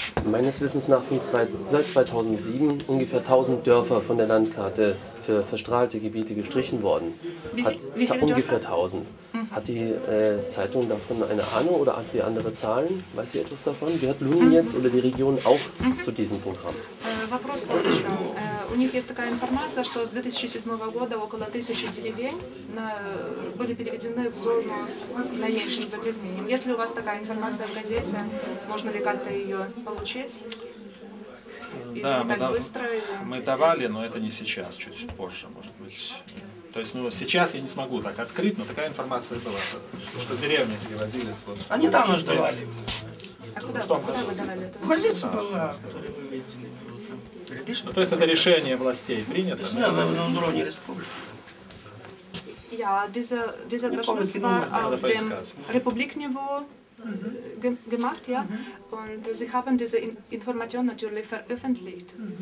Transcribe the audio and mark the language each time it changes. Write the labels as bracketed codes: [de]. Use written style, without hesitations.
[de] Meines Wissens nach sind seit 2007 ungefähr 1000 Dörfer von der Landkarte für verstrahlte Gebiete gestrichen worden. Ungefähr 1000. Hat die Zeitung davon eine Ahnung oder hat sie andere Zahlen? Weiß sie etwas davon? Gehört Lunin jetzt oder die Region auch zu diesem Programm? [ru] Вопрос вот еще. У них есть такая информация, что с 2007 года около 1000 деревень были переведены в зону с наименьшим загрязнением. Есть ли у вас такая информация в газете? Можно ли как-то ее получить? Да, мы давали, но это не сейчас, чуть позже, может быть. То есть, ну, сейчас я не смогу так открыть, но такая информация была, что деревни переводились. Вот, они там уже давали. А куда вы давали это? В газете была. Ну, то есть это решение властей принято? Да, на уровне республики. [de] Ja, dieser Beschluss war auf dem Republikniveau gemacht, ja. Mhm. Und sie haben diese Information natürlich veröffentlicht.